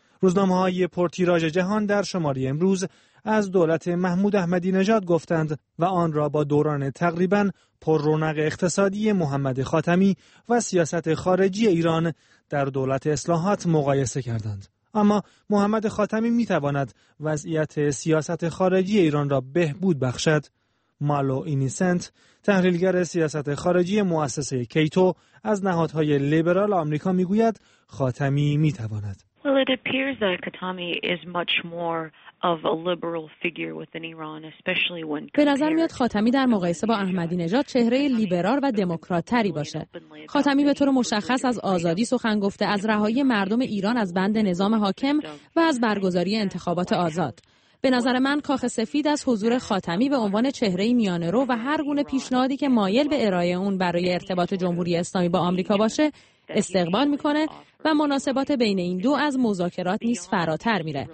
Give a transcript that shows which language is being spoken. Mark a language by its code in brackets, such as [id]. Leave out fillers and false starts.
[fa] روزنامه‌های پرتیراژ جهان در شماری امروز از دولت محمود احمدی نژاد گفتند و آن را با دوران تقریبا پر رونق اقتصادی محمد خاتمی و سیاست خارجی ایران در دولت اصلاحات مقایسه کردند. اما محمد خاتمی میتواند وضعیت سیاست خارجی ایران را بهبود بخشد. مالو اینیسنت، تحلیلگر سیاست خارجی مؤسسه کیتو از نهادهای لیبرال آمریکا میگوید خاتمی میتواند. [en] Well, it appears that Khatami is much more of a liberal figure within Iran, especially when [fa] به نظر میاد خاتمی در مقایسه با احمدی نژاد چهره لیبرال و دموکرات تری باشه. خاتمی به طور مشخص از آزادی سخن گفته، از رهایی مردم ایران از بند نظام حاکم و از برگزاری انتخابات آزاد. به نظر من کاخ سفید از حضور خاتمی به عنوان چهره میانه رو و هر گونه پیشنهادی که مایل به ارائه اون برای ارتباط جمهوری اسلامی با آمریکا باشه استقبال میکنه و مناسبات بین این دو از مذاکرات نیز فراتر میره.